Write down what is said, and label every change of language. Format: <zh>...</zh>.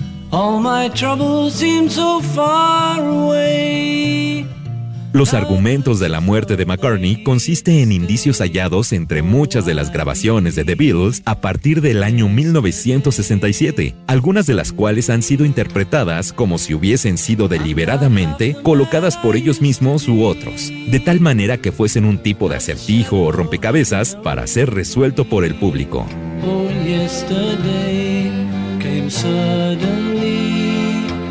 <en>All my troubles seem so far away.</en> <es>Los argumentos de la muerte de McCartney consisten en indicios hallados entre muchas de las grabaciones de The Beatles a partir del año 1967, algunas de las cuales han sido interpretadas como si hubiesen sido deliberadamente colocadas por ellos mismos u otros, de tal manera que fuesen un tipo de acertijo o rompecabezas para ser resuelto por el público.</es> <en>Oh, yesterday came suddenly.</en>